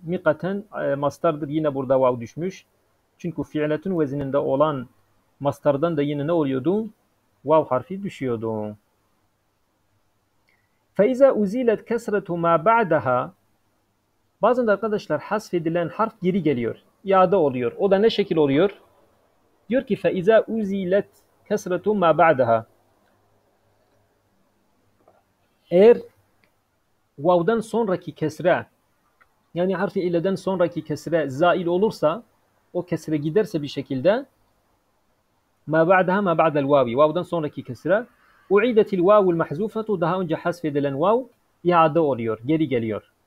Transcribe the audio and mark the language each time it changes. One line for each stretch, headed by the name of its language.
Turkish: Mikaten mastardır. Yine burada vav düşmüş. Çünkü fiiletin vezininde olan mastardan da yine ne oluyordu? Vav harfi düşüyordu.
Arabic: فَاِذَا اُز۪يلَتْ كَسْرَةُ مَا بَعْدَهَا.
Turkish: Bazen de arkadaşlar hasfedilen harf geri geliyor. İade oluyor. O da ne şekil oluyor? Diyor ki
Arabic: فَاِذَا اُز۪يلَتْ كَسْرَةُ مَا بَعْدَهَا.
Turkish: Eğer vav'dan sonraki kesre, yani harfi ille'den sonraki kesre zail olursa, o kesre giderse bir şekilde
Arabic: مَا بَعْدَهَا مَا بَعْدَ الْوَاوِ.
Turkish: Vav'dan sonraki kesre
Arabic: اُعِيدَتِ الْوَاوُ الْمَحْزُوفَةُ.
Turkish: Daha önce hasfedilen vav iade oluyor, geri geliyor.